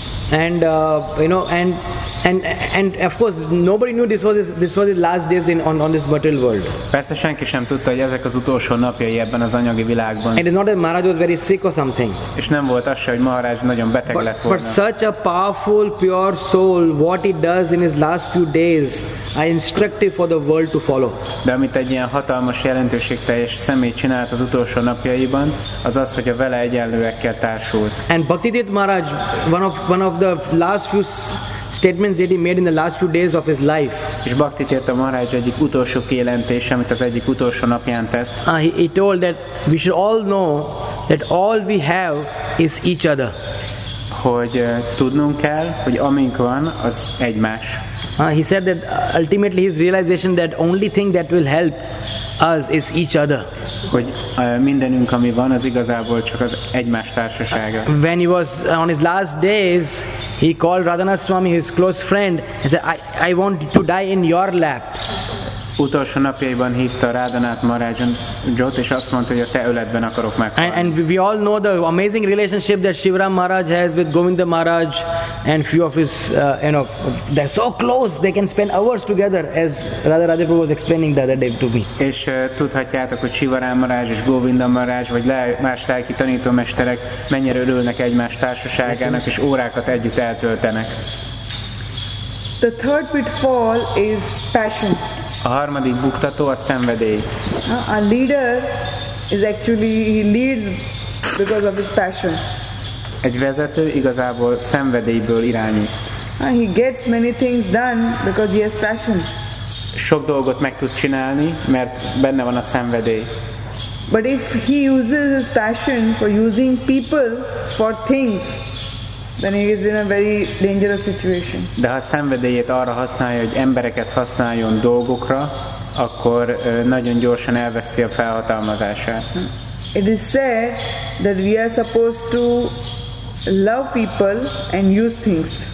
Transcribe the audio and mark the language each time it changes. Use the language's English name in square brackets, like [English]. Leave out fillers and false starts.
[English] And you know, and of course nobody knew this was his last days on this material world. [Hungarian] Persze senki sem tudta, hogy ezek az utolsó napjai ebben az anyagi világban. [English] And it's not that Maharaj was very sick or something. [Hungarian] És nem volt az se, hogy Maharaj nagyon beteg lett volna. [English] But such a powerful, pure soul, what he does in his last few days are instructive for the world to follow. [Hungarian] De amit egy ilyen hatalmas, jelentőségteljes személy csinált az utolsó napjaiban, az az, hogy a vele egyenlőekkel társult. [English] And Bhaktidit Maharaj, one of the last few statements that he made in the last few days of his life. [Hungarian] És Bhakti Tirtha Maharaj egyik utolsó kijelentése, amit az egyik utolsó napján tett. [English] He told that we should all know that all we have is each other. [Hungarian] hogy tudnunk kell, hogy amink van, az egymás. [English] He said that ultimately his realization that only thing that will help us is each other. [Hungarian] Hogy mindenünk, ami van, az igazából csak az egymás társasága. [English] When he was on his last days, he called Radhanaswami, his close friend, and said, I want to die in your lap. [Hungarian] Utolsó napjaiban hívta Radhanath Maharajot, és azt mondta, hogy a te öletben akarok meghalni. [English] And we all know the amazing relationship that Shivaram Maharaj has with Govinda Maharaj and few of his, you know, they're so close, they can spend hours together, as Radha Prabhu was explaining the other day to me. [Hungarian] És tudhatjátok, hogy Shivaram Maharaj és Govinda Maharaj, vagy más lelki tanítómesterek mennyire örülnek egymás társaságának, és órákat együtt eltöltenek. [English] The third pitfall is passion. [Hungarian] A harmadik buktató a szenvedély. [English] A leader is actually, he leads because of his passion. [Hungarian] Egy vezető igazából szenvedélyből irányít. [English] He gets many things done because he has passion. [Hungarian] Sok dolgot meg tud csinálni, mert benne van a szenvedély. [English] But if he uses his passion for using people for things, then he is in a very dangerous situation. [Hungarian] De ha szenvedélyét arra használja, hogy embereket használjon dolgokra, akkor nagyon gyorsan elveszti a felhatalmazását. [English] It is said that we are supposed to love people and use things.